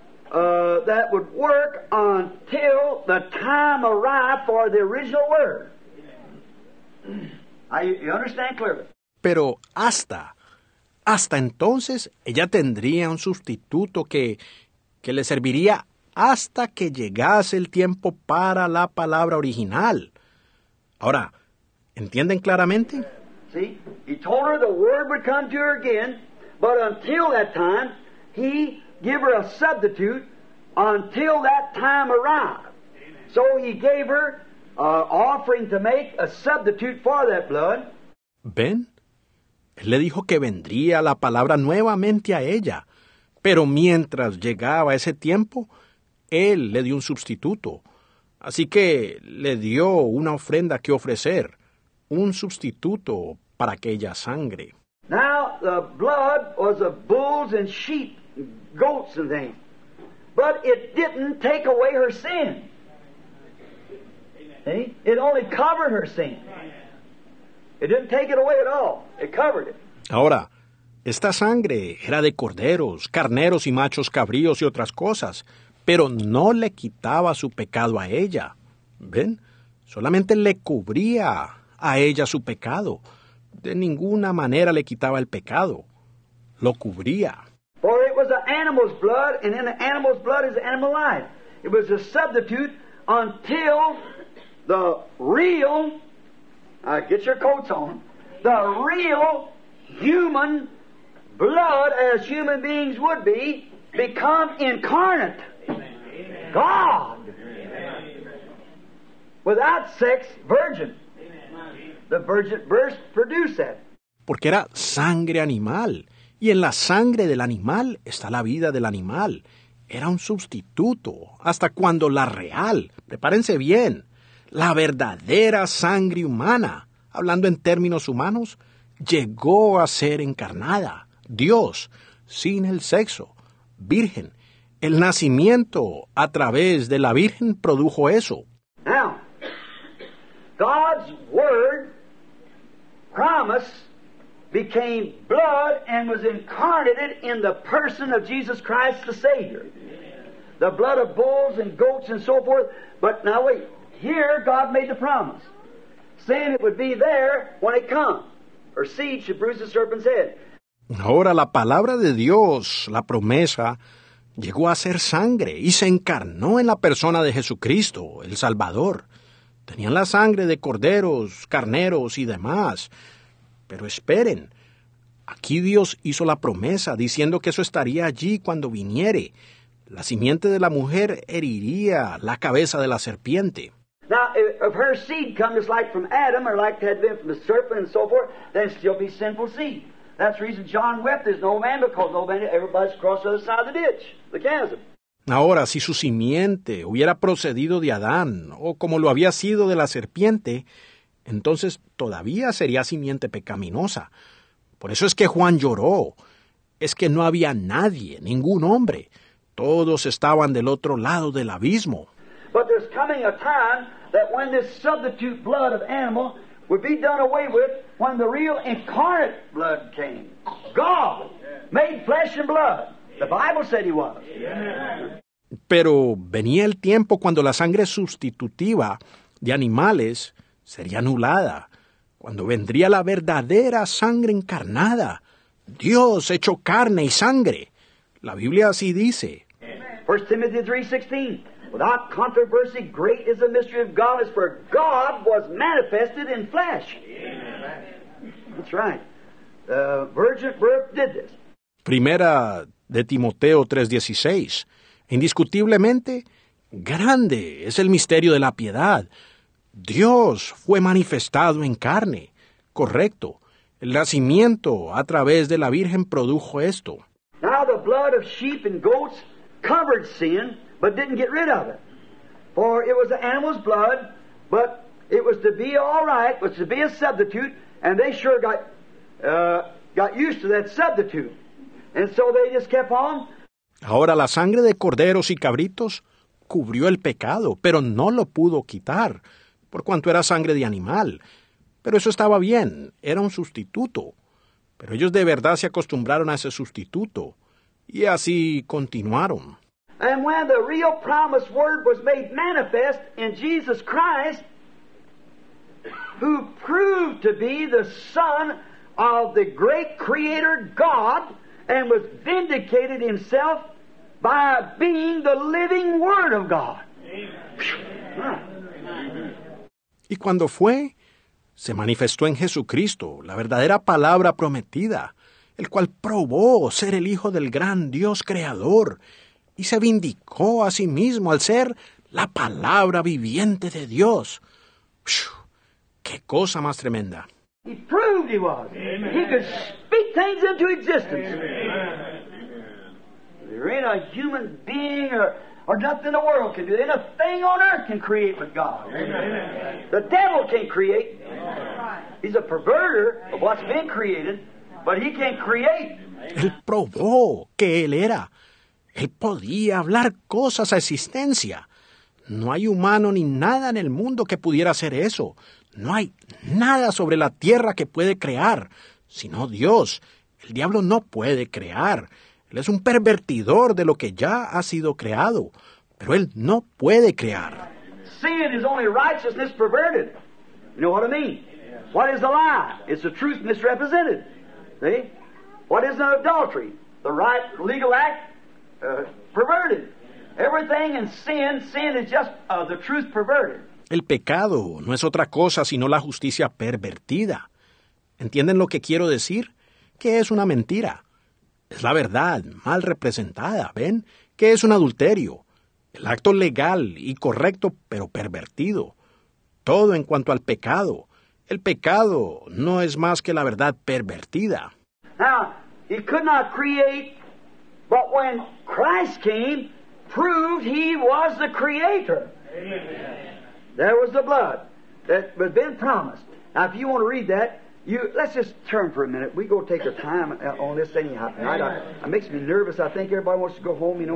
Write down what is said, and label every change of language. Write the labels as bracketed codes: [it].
[en] That would work until the time arrived for the original word. You understand clearly? [es] Pero hasta entonces ella tendría un sustituto que le serviría hasta que llegase el tiempo para la palabra original. Ahora, ¿entienden claramente? [en] See, he told her the word would come to her again, but until that time, he give her a substitute until that time arrived. So he gave her an offering to make a substitute for that blood. [es] Ben, él le dijo que vendría la palabra nuevamente a ella, pero mientras llegaba ese tiempo, él le dio un sustituto. Así que le dio una ofrenda que ofrecer, un sustituto para aquella sangre. [en] Now the blood was of bulls and sheep. Goats and things. But it didn't take away her sin. See? It only covered her sin. It didn't take it away at all. It covered it. [es] Ahora, esta sangre era de corderos, carneros y machos cabríos y otras cosas, pero no le quitaba su pecado a ella. ¿Ven? Solamente le cubría a ella su pecado. De ninguna manera le quitaba el pecado. Lo cubría. [en] For it was an animal's blood, and in an animal's blood is animal life. It was a substitute until the real, get your coats on, the real human blood, as human beings would be, become incarnate. Amen. God. Amen. Without sex, virgin. Amen. The virgin birth produced that. [es] Porque era sangre animal. Y en la sangre del animal está la vida del animal. Era un sustituto, hasta cuando la real, prepárense bien, la verdadera sangre humana, hablando en términos humanos, llegó a ser encarnada, Dios, sin el sexo, virgen. El nacimiento a través de la virgen produjo eso. [en] Now, God's word promise became blood and was incarnated in the person of Jesus Christ the Savior. The blood of bulls and goats and so forth. But now wait, here God made the promise, saying it would be there when it comes. Or seed should bruise the serpent's head. [es] Ahora la palabra de Dios, la promesa, llegó a ser sangre y se encarnó en la persona de Jesucristo, el Salvador. Tenían la sangre de corderos, carneros y demás. Pero esperen, aquí Dios hizo la promesa diciendo que eso estaría allí cuando viniere. La simiente de la mujer heriría la cabeza de la serpiente. [en] Now, if her seed comes like from Adam, or like had been from the serpent and so forth, then still be sinful seed. That's the reason John wept, there's no man, because no man ever buzzed across the other side of the ditch, the chasm. [es] Ahora, si su simiente hubiera procedido de Adán, o como lo había sido de la serpiente, entonces todavía sería simiente pecaminosa. Por eso es que Juan lloró. Es que no había nadie, ningún hombre. Todos estaban del otro lado del abismo. [en] But there's coming a time that when this substitute blood of animal would be done away with, when the real incarnate blood came. God made flesh and blood. The Bible said he was. [es] Pero venía el tiempo cuando la sangre sustitutiva de animales sería anulada, cuando vendría la verdadera sangre encarnada, Dios hecho carne y sangre. La Biblia así dice. [en] 1 Timothy 3:16. Without controversy, great is the mystery of God, is for God was manifested in flesh. Amen. That's right. The virgin birth did this. [es] Primera de Timoteo 3:16. Indiscutiblemente, grande es el misterio de la piedad. Dios fue manifestado en carne. Correcto. El nacimiento a través de la Virgen produjo esto. [en] Now the blood of sheep and goats covered sin, but didn't get rid of it. For it was the animal's blood, but it was to be all right, was to be a substitute, and they sure got used to that substitute. And so they just kept on. [es] Ahora la sangre de corderos y cabritos cubrió el pecado, pero no lo pudo quitar, por cuanto era sangre de animal. Pero eso estaba bien, era un sustituto. Pero ellos de verdad se acostumbraron a ese sustituto, y así continuaron. [en] And when the real promised word was made manifest in Jesus Christ, who proved to be the Son of the great Creator God, and was vindicated himself by being the living Word of God. [es] Y cuando fue, se manifestó en Jesucristo la verdadera palabra prometida, el cual probó ser el Hijo del gran Dios Creador, y se vindicó a sí mismo al ser la palabra viviente de Dios. ¡Qué cosa más tremenda! [en] He proved he was. Amen. He could speak things into existence. Amen. There ain't a human being or nothing in the world can do. There ain't a thing on earth can create with God. Amen. The devil can't create. Amen. He's a perverter of what's been created, but he can't create. [es] Él probó que él era. Él podía hablar cosas a existencia. No hay humano ni nada en el mundo que pudiera hacer eso. No hay nada sobre la tierra que puede crear, sino Dios. El diablo no puede crear. Él es un pervertidor de lo que ya ha sido creado, pero él no puede crear. [en] Sin is only righteousness perverted. You know what I mean? What is a lie? It's the truth misrepresented. See? What is an adultery? The right legal act? Perverted. Everything in sin is just the truth perverted. [es] El pecado no es otra cosa sino la justicia pervertida. ¿Entienden lo que quiero decir? ¿Qué es una mentira? Es la verdad mal representada, ¿ven? ¿Qué es un adulterio? El acto legal y correcto, pero pervertido. Todo en cuanto al pecado. El pecado no es más que la verdad pervertida. [en] Now, he could not create, but when Christ came, proved he was the creator. Amen. There was the blood that had been promised. Now, if you want to read that, let's just turn for a minute. We go take our time on this anyhow. It makes me nervous. I think everybody wants to go home, you know.